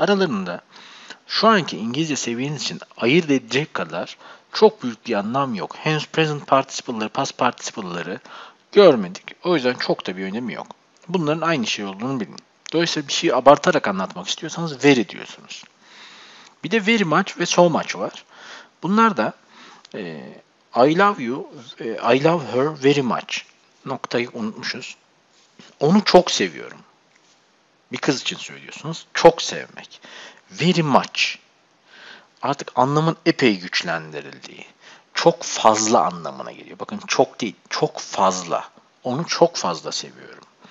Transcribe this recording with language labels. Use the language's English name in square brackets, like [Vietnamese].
[Turkish] Aralarında şu anki İngilizce seviyeniz için ayırt edecek kadar çok büyük bir anlam yok. Hence present participle'ları, past participle'ları görmedik. O yüzden çok da bir önemi yok. Bunların aynı şey olduğunu bilin. Dolayısıyla bir şeyi abartarak anlatmak istiyorsanız very diyorsunuz. Bir de very much ve so much var. Bunlar da [English] I love you, I love her very much. [Turkish] Noktayı unutmuşuz. Onu çok seviyorum. Bir kız için söylüyorsunuz. Çok sevmek. [English] Very much. [Turkish] Artık anlamın epey güçlendirildiği. Çok fazla anlamına geliyor. Bakın çok değil, çok fazla. Onu çok fazla seviyorum.